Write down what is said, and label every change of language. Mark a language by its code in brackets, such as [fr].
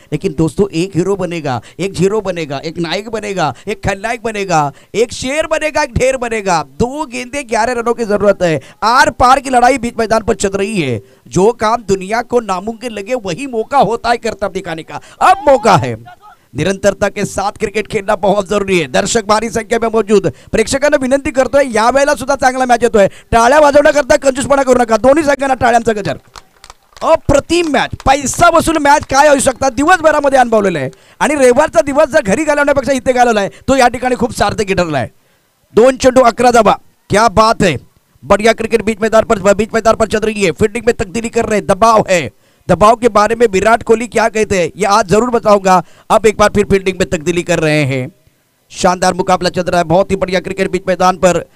[hi] लेकिन दोस्तों, एक हीरो बनेगा, एक हीरो बनेगा, एक नायक बनेगा, एक खलनायक बनेगा, एक शेर बनेगा, एक ढेर बनेगा। दो गेंदे 11 रनों की जरूरत, आर पार की लड़ाई बीच मैदान पर चल रही है। जो काम दुनिया को नामुमकिन लगे वही मौका होता है कर्तव्य दिखाने का, अब मौका है। निरंतरता के साथ क्रिकेट खेलना बहुत जरूरी है। दर्शक भारी संख्या में मौजूद, [mr] प्रेक्षकांना विनंती करतो है, या वेळेला सुद्धा चांगला मॅच येतोय, टाळ्या वाजवण्याकरता कंजूसपणा करू नका, दोन्ही संघांना टाळ्यांचा गजर। अप्रतिम मॅच, पैसा वसूल मॅच काय होऊ शकतात, दिवसभरामध्ये अनुभवलेलं आहे। आणि रविवारचा दिवस जर घरी घालवण्यापेक्षा इथे घालवलाय तो या ठिकाणी खूप सार्थकी ठरलाय। दोन चेंडू 11 धावा, [hi] क्या बात है, बढ़िया क्रिकेट बीच मैदान पर चल रही है। फील्डिंग में तब्दीली कर रहे हैं, दबाव है, दबाव के बारे में विराट कोहली क्या कहते हैं ये आज जरूर बताऊंगा। अब एक बार फिर फील्डिंग में तब्दीली कर रहे हैं, शानदार मुकाबला चल रहा है, बहुत ही बढ़िया क्रिकेट बीच मैदान पर।